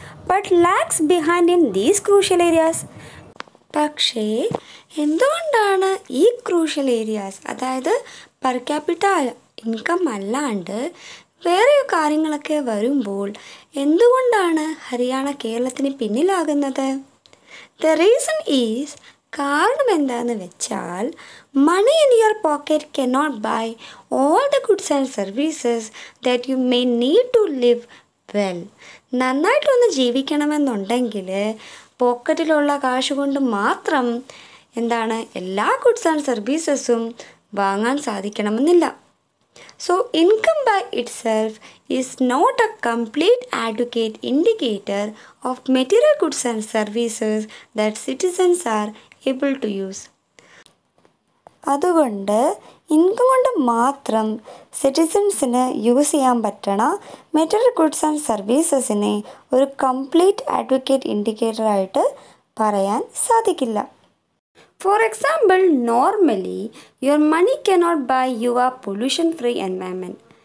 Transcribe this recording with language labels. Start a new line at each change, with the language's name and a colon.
English: But lacks behind in these crucial areas.
Malayalam: പക്ഷേ എന്തുകൊണ്ടാണ് ഈ ക്രൂഷ്യൽ ഏരിയാസ്, അതായത് പെർ ക്യാപിറ്റ ഇൻകം അല്ലാണ്ട് വേറെ കാര്യങ്ങളൊക്കെ വരുമ്പോൾ എന്തുകൊണ്ടാണ് ഹരിയാന കേരളത്തിന് പിന്നിലാകുന്നത്?
English: The reason is,
Malayalam: കാരണം എന്താന്ന് വെച്ചാൽ,
English: money in your pocket cannot buy all the goods and services that you may need to live well.
Malayalam: നന്നായിട്ടൊന്ന് ജീവിക്കണമെന്നുണ്ടെങ്കിൽ പോക്കറ്റിലുള്ള കാശ് കൊണ്ട് മാത്രം എന്താണ് എല്ലാ ഗുഡ്സ് ആൻഡ് സർവീസസും വാങ്ങാൻ സാധിക്കണമെന്നില്ല.
English: So, income by itself is not a complete adequate indicator of material goods and services that citizens are able to use.
Malayalam: അതുകൊണ്ട് income കൊണ്ട് മാത്രം സിറ്റിസൺസിന് യൂസ് ചെയ്യാൻ പറ്റണ മെറ്റീരിയൽ ഗുഡ്സ് ആൻഡ് സർവീസസിനെ ഒരു കംപ്ലീറ്റ് അഡ്വക്കേറ്റ് ഇൻഡിക്കേറ്ററായിട്ട് പറയാൻ സാധിക്കില്ല.
English: For example, normally your money cannot buy you are pollution free environment.